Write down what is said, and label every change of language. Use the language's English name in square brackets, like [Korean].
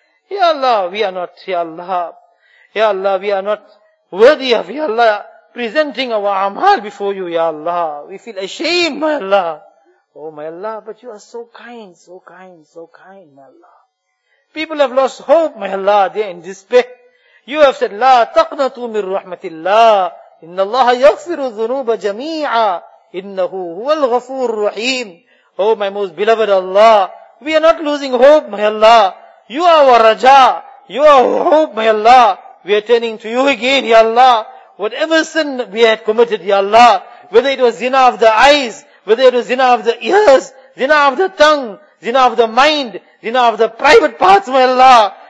[English] Ya Allah, we are not, Ya Allah. Ya Allah, we are not worthy of, Ya Allah, presenting our amal before you, Ya Allah. We feel ashamed, may Allah. Oh, may Allah, but you are so kind, so kind, so kind, may Allah. People have lost hope, may Allah, they are in despair. You have said, [Arabic] لا تقنطوا من رحمة الله إن الله يغفر الذنوب جميعا إنه هو الغفور الرحيم. [English] Oh, my most beloved Allah, we are not losing hope, may Allah. You are our Raja, you are our hope, may Allah. We are turning to you again, Ya Allah. Whatever sin we had committed, Ya Allah, whether it was zina of the eyes, whether it was zina of the ears, zina of the tongue, zina of the mind, zina of the private parts, may Allah.